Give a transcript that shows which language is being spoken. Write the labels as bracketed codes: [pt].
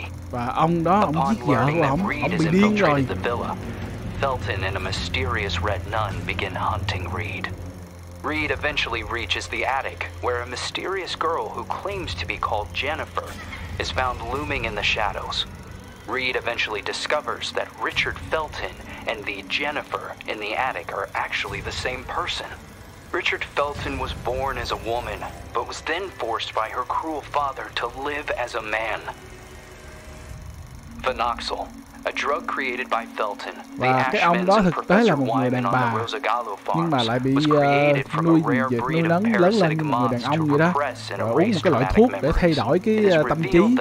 [vi] Và ông đó, ông giết vợ của ông bị điên rồi. [en] Felton and a mysterious red nun begin hunting Reed. Reed eventually reaches the attic, where a mysterious girl who claims to be called Jennifer is found looming in the shadows. Reed eventually discovers that Richard Felton and the Jennifer in the attic are actually the same person. Richard Felton was born as a woman, but was then forced by her cruel father to live as a man. Phenoxyl, a drug created by Felton. [vi] Và cái ông đó thực tế là một người đàn bà, nhưng mà lại bị nuôi lớn lên người đàn ông vậy đó, và uống một cái loại thuốc để thay đổi cái tâm trí.